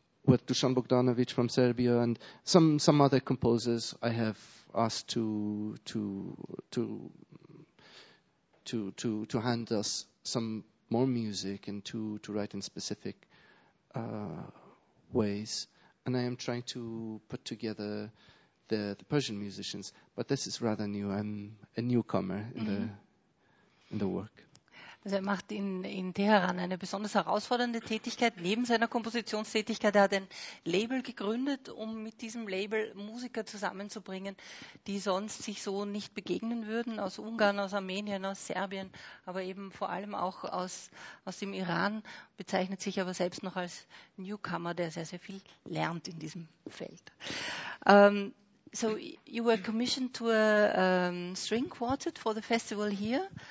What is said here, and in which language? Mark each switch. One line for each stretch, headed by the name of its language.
English: with Dusan Bogdanovic from Serbia, and some other composers I have asked to hand us some more music and to write in specific ways. And I am trying to put together the Persian musicians, but this is rather new. I'm a newcomer in the work.
German: Also er macht in Teheran eine besonders herausfordernde Tätigkeit neben seiner Kompositionstätigkeit. Er hat ein Label gegründet, um mit diesem Label Musiker zusammenzubringen, die sonst sich so nicht begegnen würden, aus Ungarn, aus Armenien, aus Serbien, aber eben vor allem auch aus dem Iran, bezeichnet sich aber selbst noch als Newcomer, der sehr, sehr viel lernt in diesem Feld.
English: So you were commissioned to a string quartet for the festival here.